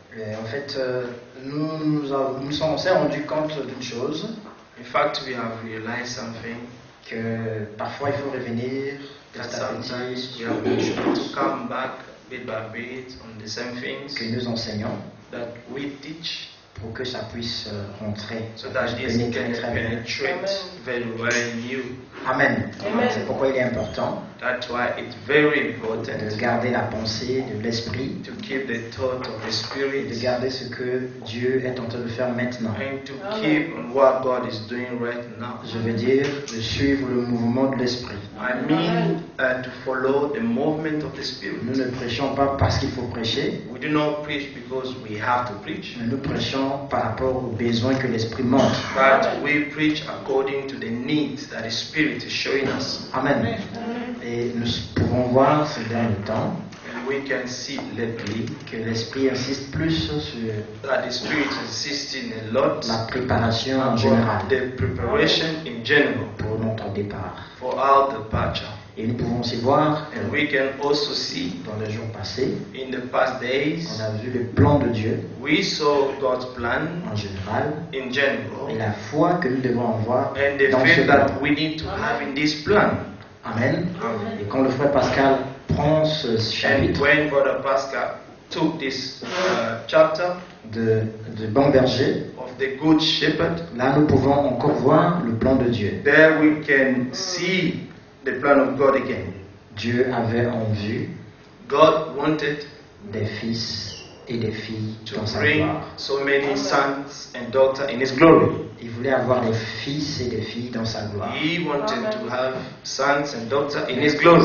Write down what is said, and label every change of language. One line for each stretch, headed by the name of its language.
French: Et en fait, nous sommes rendus compte d'une chose.
English: In fact, we have realized something.
French: Que parfois il faut revenir.
English: That sometimes we have to come back bit by bit on the same things.
French: Que nous enseignons.
English: That we teach.
French: Pour que ça puisse rentrer.
English: So that it can penetrate very well in you. Amen. Amen.
French: C'est pourquoi il est important.
English: That's why it's very important.
French: De garder la pensée de l'esprit.
English: To keep the thought of the spirit.
French: De garder ce que Dieu est en train de faire maintenant.
English: And to keep what God is doing right now.
French: Je veux dire de suivre le mouvement de l'esprit.
English: I mean to follow the movement of the spirit.
French: Nous ne prêchons pas parce qu'il faut prêcher.
English: We do not preach because we have to preach.
French: Mais nous prêchons par rapport aux besoins que l'esprit montre.
English: But we preach according to the needs that the spirit is showing us. Amen. Amen.
French: Et nous pourrons voir ces derniers temps
English: we can see
French: que l'esprit insiste plus sur
English: the spirit insisting a lot
French: la préparation en général,
English: the preparation in general
French: pour notre départ.
English: For our departure.
French: Et nous pouvons aussi voir
English: and we can also see
French: dans les jours passés
English: in the past days,
French: on a vu le plan de Dieu
English: we saw God's plan
French: en général
English: in general,
French: et la foi que nous devons avoir
English: and the
French: dans
English: faith
French: ce plan.
English: That we need to have in this plan. Amen. Amen.
French: Et quand le frère Pascal prend ce chapitre,
English: and when Pascal took this, chapter
French: de bon berger,
English: of the good shepherd,
French: là nous pouvons encore voir le plan de Dieu.
English: There we can see the plan of God again.
French: Dieu avait en vue
English: God wanted
French: des fils et des filles
English: to
French: dans
English: bring
French: sa gloire.
English: So many sons and daughters in his glory.
French: Il voulait avoir des fils et des filles dans sa gloire.
English: He wanted to have sons and daughters in his glory.